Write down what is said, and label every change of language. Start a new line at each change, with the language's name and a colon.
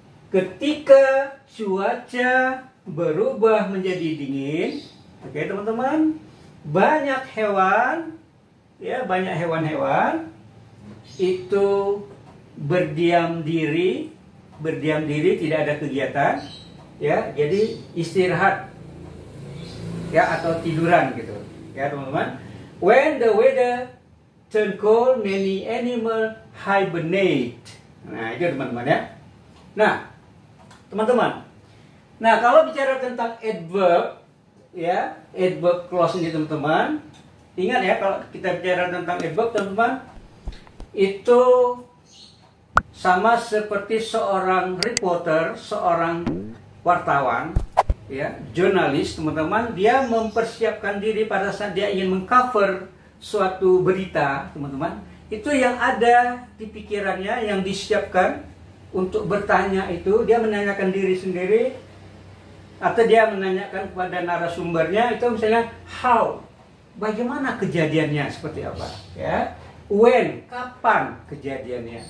Indonesian: Ketika cuaca berubah menjadi dingin, oke, teman-teman, banyak hewan ya, banyak hewan-hewan itu berdiam diri, tidak ada kegiatan ya, jadi istirahat ya atau tiduran gitu ya teman-teman.
English: When the weather turn cold, many animal hibernate.
Indonesian: Nah itu teman-teman ya. Nah teman-teman, nah kalau bicara tentang adverb ya, adverb clause ini teman-teman, ingat ya, kalau kita bicara tentang adverb teman-teman, itu sama seperti seorang reporter, seorang wartawan ya, jurnalis teman-teman, dia mempersiapkan diri pada saat dia ingin mengcover suatu berita teman-teman, itu yang ada di pikirannya, yang disiapkan untuk bertanya itu, dia menanyakan diri sendiri atau dia menanyakan kepada narasumbernya itu, misalnya how, bagaimana kejadiannya, seperti apa ya, when, kapan kejadiannya.